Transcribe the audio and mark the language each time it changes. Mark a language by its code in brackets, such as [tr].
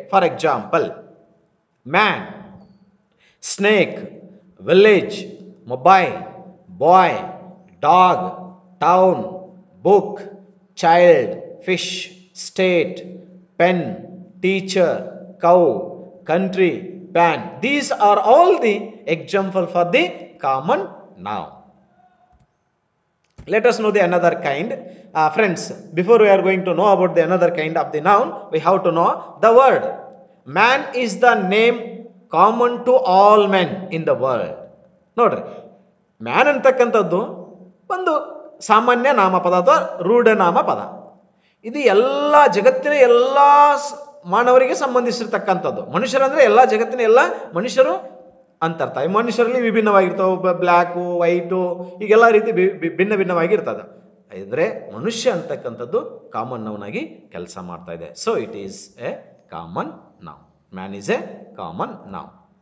[en] For example, man, snake, village, mobile, boy, dog, town, book, child, fish, state, pen, teacher, cow, country, pan, these are all the example for the common noun. Let us know the another kind. Friends, before we are going to know about the another kind of the noun, we have to know the word. Man is the name common to all men in the world. [kn] Notre, man antakkantaddu ondu samanya nama pada athwa rooda nama pada, idu ella jagattina ella ಮಾನವರಿಗೆ ಸಂಬಂಧಿಸಿರ್ತಕ್ಕಂಥದ್ದು. ಮನುಷ್ಯರಂದರೆ ಎಲ್ಲ ಜಗತ್ತಿನ ಎಲ್ಲ ಮನುಷ್ಯರು ಅಂತರ್ಥ. ಈ ಮನುಷ್ಯರಲ್ಲಿ ವಿಭಿನ್ನವಾಗಿರ್ತಾವೆ, black, white, ಹೀಗೆಲ್ಲ ರೀತಿ ಭಿನ್ನ ಭಿನ್ನವಾಗಿರ್ತದೆ. ಅಂದರೆ ಮನುಷ್ಯ ಅಂತಕ್ಕಂಥದ್ದು ಕಾಮನ್ ನೌನ್ ಆಗಿ ಕೆಲಸ ಮಾಡ್ತಾ ಇದೆ. [en] So it is a common noun. Man is a common noun.